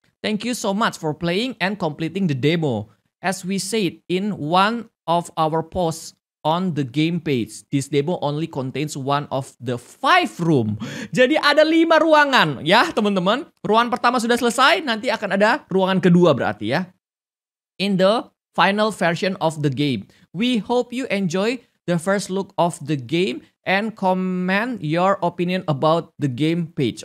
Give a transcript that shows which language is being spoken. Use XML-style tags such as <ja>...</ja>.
<en>Thank you so much for playing and completing the demo. As we said in one of our posts on the game page, this demo only contains one of the five room.</en> <id>Jadi ada 5 ruangan ya teman-teman. Ruangan pertama sudah selesai, nanti akan ada ruangan kedua berarti ya.</id> <en>In the final version of the game, we hope you enjoy the first look of the game and comment your opinion about the game page.</en>